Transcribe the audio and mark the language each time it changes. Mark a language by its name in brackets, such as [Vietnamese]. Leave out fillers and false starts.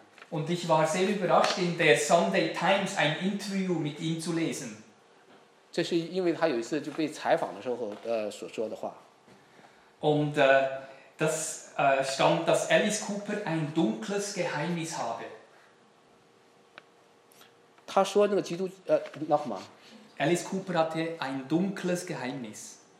[German] Und ich war sehr überrascht, in der Sunday Times ein Interview mit ihm zu lesen. [Chinese] 这是因为他有一次就被采访的时候所说的话。 [German] Und das stand, dass Alice Cooper ein dunkles Geheimnis habe. [Chinese] 他说那个基督，那什么？ [German] Alice Cooper hatte ein dunkles Geheimnis.